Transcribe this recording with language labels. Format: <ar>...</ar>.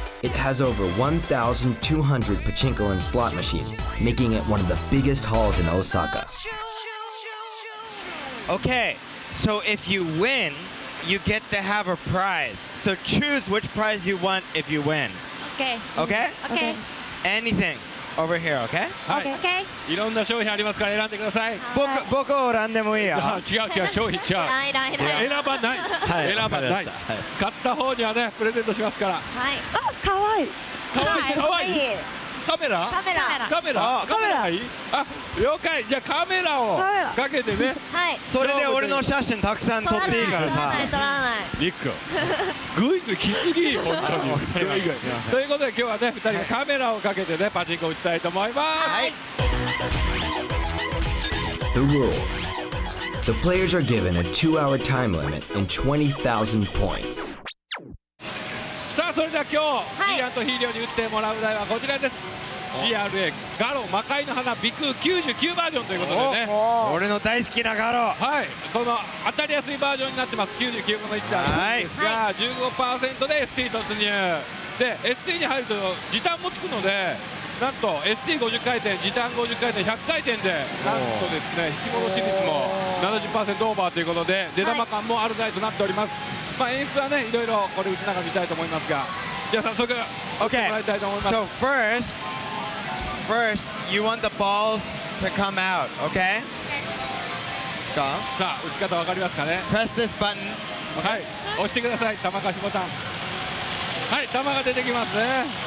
<en>It has over 1,200 pachinko and slot machines, making it one of the biggest halls in Osaka. Okay, so if you win,You get to have a prize. So choose which prize you want if you win. Okay. Anything over here, okay? Okay.</en> <ja>いろんな商品ありますから選んでください。僕を選んでもいいよ。違う、商品違う。ない。選ばない。はい。選ばない。買った方にはね、プレゼントしますから。はい。あ、かわいい。かわいい。カメラ。カメラいい？あ、了解。じゃあカメラをかけてね。はい。それで俺の写真たくさん撮っていいからさ。撮らない。ニック。グイグイ来すぎ、本当に。ということで今日はね、2人カメラをかけてね、パチンコ打ちたいと思います。</ja> <en>はい。The rules. The players are given a 2-hour time limit and 20,000 points.</en> <ja>さあそれでは今日、はい、ジーアンとヒーリョンに打ってもらう台はこちらです。 CRA ガロ魔界の花ビク99バージョンということでね。俺の大好きなガロ、はい、この当たりやすいバージョンになってます。99分の1であるんですが、はい、15% で ST 突入で ST に入ると時短もつくので、なんと ST50 回転、時短50回転、100回転でなんとですね、引き戻し率も 70% オーバーということで出玉感もある台となっております。はい、まあ、演出はね、いろいろこれ打ちながら見たいと思いますが、じゃあ早速、</ja> <en>okay.</en> <ja>打ってもらいたいと思います。</ja> <en>So first, you want the balls to come out, okay?</en> <ja>さあ、打ち方わかりますかね。</ja> <en>Press this button.</en> <ja>はい、押してください、玉貸しボタン。はい、玉が出てきますね。</ja>